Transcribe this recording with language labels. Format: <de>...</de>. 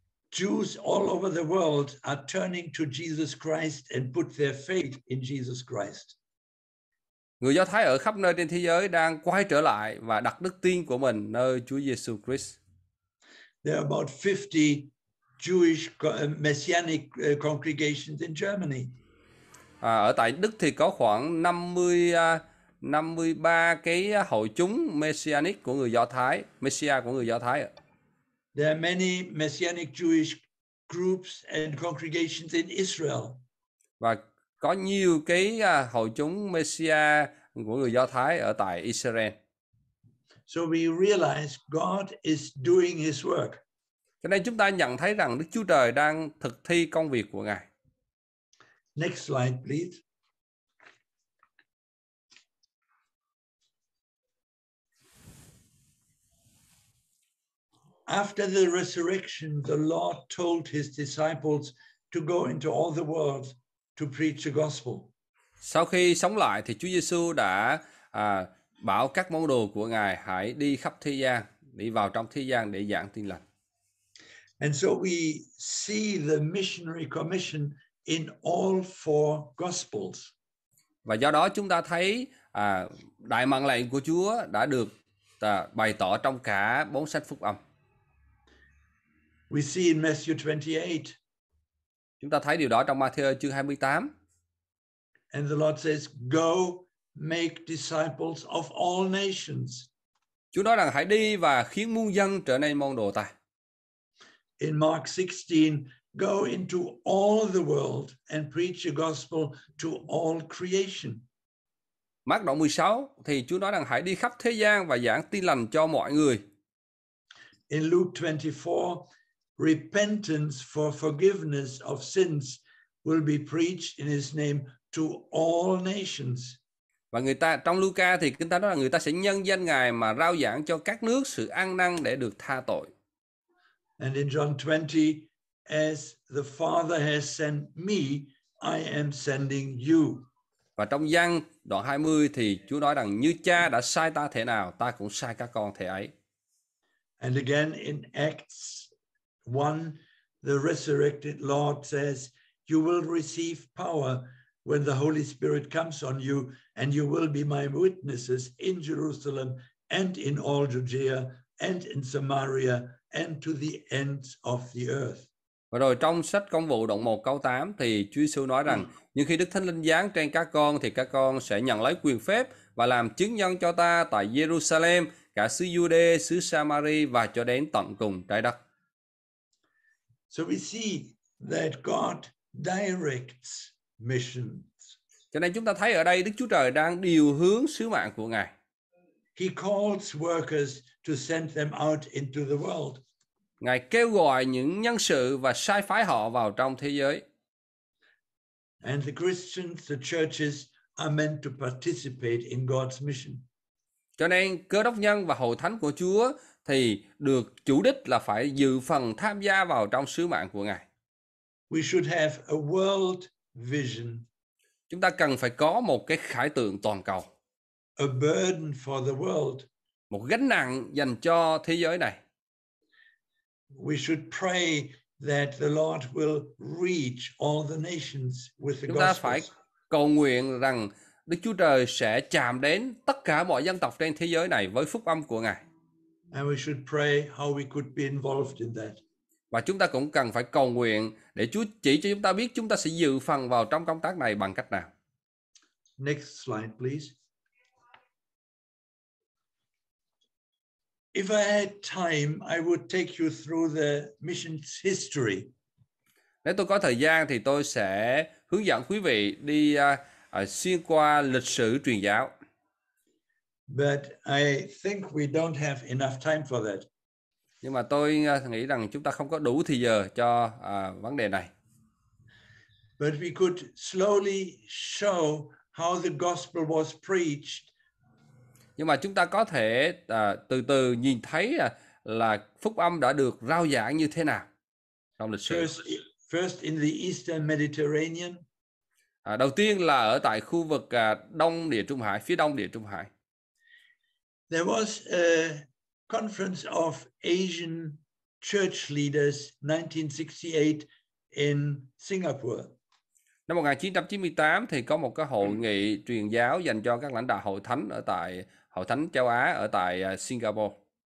<en>Jews all over the world are turning to Jesus Christ and put their faith in Jesus Christ.</en> <vi>Người Do Thái ở khắp nơi trên thế giới đang quay trở lại và đặt đức tin của mình nơi Chúa Giêsu Christ.</vi> <en>There are about 50 Jewish messianic congregations in Germany.</en> <vi>Ở tại Đức thì có khoảng 53 cái hội chúng messianic của người Do Thái, Messiah của người Do Thái.</vi> <en>There are many messianic Jewish groups and congregations in Israel.</en> <vi>Và có nhiều cái hội chúng Messiah của người Do Thái ở tại Israel.</vi> <en>So we realize God is doing his work.</en> <vi>Cái này chúng ta nhận thấy rằng Đức Chúa Trời đang thực thi công việc của Ngài.</vi> <en>Next slide, please. After the resurrection, the Lord told his disciples to go into all the world to preach the gospel.</en> <vi>Sau khi sống lại thì Chúa Giêsu đã bảo các môn đồ của Ngài hãy đi khắp thế gian, đi vào trong thế gian để giảng tin lành.</vi> <en>And so we see the missionary commission in all four gospels.</en> <vi>Và do đó chúng ta thấy đại mạng lệnh của Chúa đã được bày tỏ trong cả bốn sách phúc âm.</vi> <en>We see in Matthew 28.</en> <vi>Chúng ta thấy điều đó trong Matthew chương 28.</vi> <en>And the Lord says, "Go make disciples of all nations."</en> <vi>Chúa nói rằng hãy đi và khiến muôn dân trở nên môn đồ ta.</vi> <en>In Mark 16, "Go into all the world and preach the gospel to all creation."</en> <vi>Mark đoạn 16 thì Chúa nói rằng hãy đi khắp thế gian và giảng tin lành cho mọi người.</vi> <en>In Luke 24, "Repentance for forgiveness of sins will be preached in his name to all nations."</en> <vi>Và người ta trong Luca thì Kinh Thánh nói là người ta sẽ nhân danh Ngài mà rao giảng cho các nước sự ăn năn để được tha tội.</vi> <en>And in John 20, "As the Father has sent me, I am sending you."</en> <vi>Và trong Giăng đoạn 20 thì Chúa nói rằng như Cha đã sai ta thế nào, ta cũng sai các con thế ấy.</vi> <en>And again in Acts 1, the resurrected Lord says, "You will receive power when the Holy Spirit comes on you, and you will be my witnesses in Jerusalem and in all Judea and in Samaria and to the ends of the earth."</en> <vi>Và rồi trong sách Công vụ đoạn 1 câu 8 thì Chúa Giêsu nói rằng nhưng khi Đức Thánh Linh giáng trên các con thì các con sẽ nhận lấy quyền phép và làm chứng nhân cho ta tại Jerusalem, cả xứ Giu-đê, xứ Samaria và cho đến tận cùng trái đất.</vi> <en>So we see that God directs missions.</en> <vi>Cho nên chúng ta thấy ở đây Đức Chúa Trời đang điều hướng sứ mạng của Ngài.</vi> <en>He calls workers to send them out into the world.</en> <vi>Ngài kêu gọi những nhân sự và sai phái họ vào trong thế giới.</vi> <en>And the Christians, the churches are meant to participate in God's mission.</en> <vi>Cho nên Cơ Đốc nhân và hội thánh của Chúa thì được chủ đích là phải dự phần tham gia vào trong sứ mạng của Ngài.</vi> <en>We should have a world vision.</en> <vi>Chúng ta cần phải có một cái khải tượng toàn cầu.</vi> <en>A burden for the world.</en> <vi>Một gánh nặng dành cho thế giới này.</vi> <en>We should pray that the Lord will reach all the nations with the gospel.</en> <vi>Chúng ta phải cầu nguyện rằng Đức Chúa Trời sẽ chạm đến tất cả mọi dân tộc trên thế giới này với phúc âm của Ngài.</vi> <en>And we should pray how we could be involved in that.</en> <vi>Và chúng ta cũng cần phải cầu nguyện để Chúa chỉ cho chúng ta biết chúng ta sẽ dự phần vào trong công tác này bằng cách nào.</vi> <en>Next slide, please. If I had time, I would take you through the mission's history.</en> <vi>Nếu tôi có thời gian thì tôi sẽ hướng dẫn quý vị đi xuyên qua lịch sử truyền giáo.</vi> <en>But I think we don't have enough time for that.</en> <vi>Nhưng mà tôi nghĩ rằng chúng ta không có đủ thời giờ cho vấn đề này.</vi> <en>But we could slowly show how the gospel was preached.</en> <vi>Nhưng mà chúng ta có thể từ từ nhìn thấy là phúc âm đã được rao giảng như thế nào trong lịch sử.</vi> <en>First in the Eastern Mediterranean.</en> <vi>Đầu tiên là ở tại khu vực Đông Địa Trung Hải, phía Đông Địa Trung Hải.</vi> <en>There was a conference of Asian church leaders 1968 in Singapore.</en> <vi>Năm 1998 thì có một cái hội nghị truyền giáo dành cho các lãnh đạo hội thánh ở tại hội thánh châu Á ở tại Singapore.</vi>